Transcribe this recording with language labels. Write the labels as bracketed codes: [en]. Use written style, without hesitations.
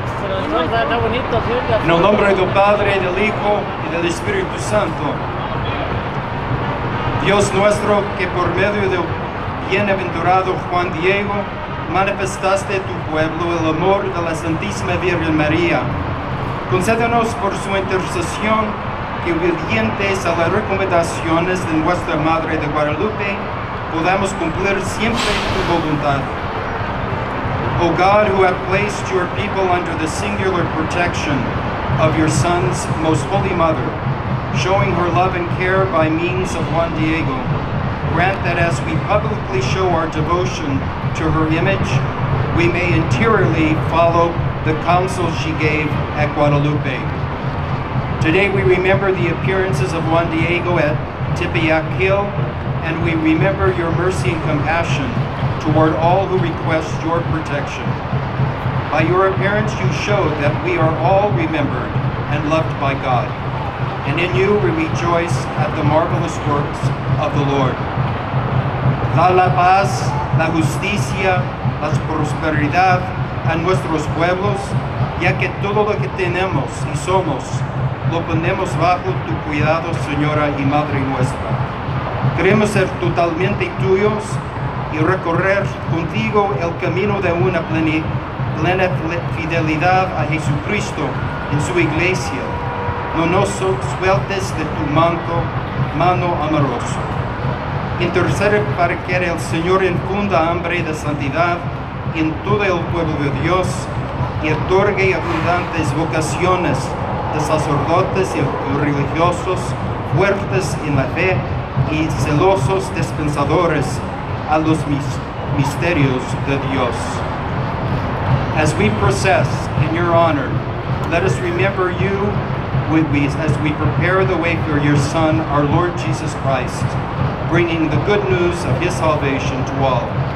[es] En el nombre del Padre, del Hijo y del Espíritu Santo, Dios nuestro, que por medio del bienaventurado Juan Diego manifestaste a tu pueblo el amor de la Santísima Virgen María, concédenos por su intercesión que, obedientes a las recomendaciones de nuestra Madre de Guadalupe, podamos cumplir siempre tu voluntad. [en] O God, who have placed your people under the singular protection of your Son's most holy mother, showing her love and care by means of Juan Diego, grant that as we publicly show our devotion to her image, we may interiorly follow the counsel she gave at Guadalupe. Today we remember the appearances of Juan Diego at Tepeyac Hill, and we remember your mercy and compassion toward all who request your protection. By your appearance, you showed that we are all remembered and loved by God. And in you, we rejoice at the marvelous works of the Lord. [es] Da la paz, la justicia, la prosperidad a nuestros pueblos, ya que todo lo que tenemos y somos lo ponemos bajo tu cuidado, Señora y Madre nuestra. Queremos ser totalmente tuyos y recorrer contigo el camino de una plena fidelidad a Jesucristo en su iglesia. No nos sueltes de tu manto, mano amoroso. Intercede para que el Señor infunda hambre de santidad en todo el pueblo de Dios y otorgue abundantes vocaciones de sacerdotes y religiosos fuertes en la fe y celosos dispensadores a los misterios de Dios. [en] As we process in your honor, let us remember you as we prepare the way for your Son, our Lord Jesus Christ, bringing the good news of his salvation to all.